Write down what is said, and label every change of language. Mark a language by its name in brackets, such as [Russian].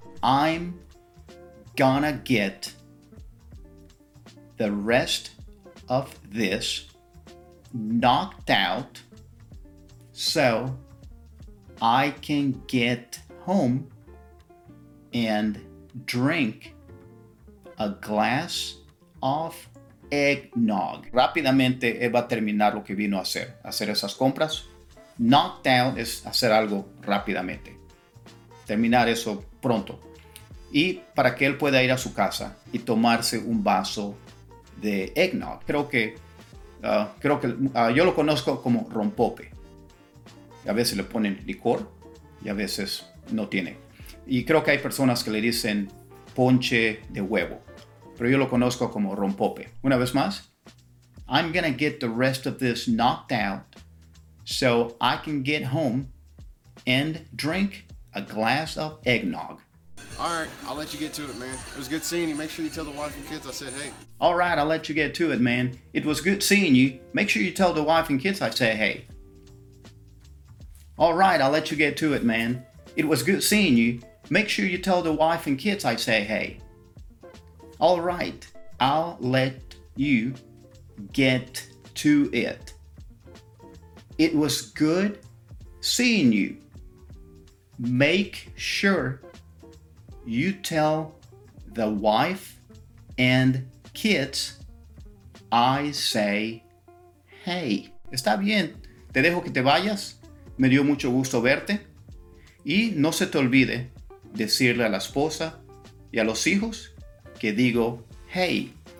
[English] I'm gonna get the rest of this knocked out so I can get home and drink a glass of eggnog. [Spanish] Rápidamente él va a terminar lo que vino a hacer, esas compras. [English] Knocked out [Spanish] es hacer algo rápidamente, terminar eso pronto. Y para que él pueda ir a su casa y tomarse un vaso de eggnog. Creo que yo lo conozco como rompope. A veces le ponen licor y a veces no tiene. Y creo que hay personas que le dicen ponche de huevo. Pero yo lo conozco como rompope. Una vez más. [English] I'm gonna get the rest of this knocked out so I can get home and drink a glass of eggnog. All right, I'll let you get to it, man. It was good seeing you. Make sure you tell the wife and kids I said hey. All right, I'll let you get to it, man. It was good seeing you. Make sure you tell the wife and kids I said hey. All right, I'll let you get to it, man. It was good seeing you. Make sure you tell the wife and kids I said hey. All right, I'll let you get to it. It was good seeing you. Make sure you tell the wife and kids, I say, hey. [Spanish] Está bien, te dejo que te vayas. Me dio mucho gusto verte. Y no se te olvide decirle a la esposa y a los hijos que digo, hey.